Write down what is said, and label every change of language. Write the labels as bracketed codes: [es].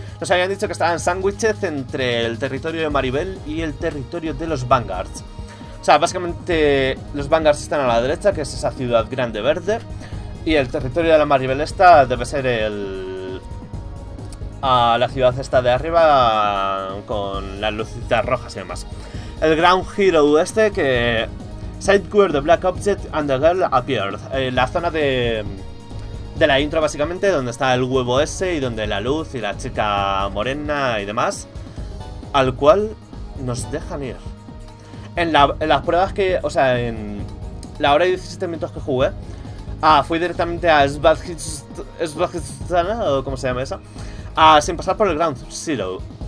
[es] Nos habían dicho que estaban sándwiches entre el territorio de Maribel y el territorio de los Vanguards. O sea, básicamente los Vanguards están a la derecha, que es esa ciudad grande verde. Y el territorio de la Maribel esta debe ser la ciudad esta de arriba con las lucitas rojas y demás. El Ground Hero este, que... [en] Side where the black object and the girl appeared. [es] La zona de la intro, básicamente, donde está el huevo ese y donde la luz y la chica morena y demás. Al cual nos dejan ir. En las pruebas que... O sea, en la hora y 17 minutos que jugué... fui directamente a Svanishana, o como se llama esa, sin pasar por el Ground Zero.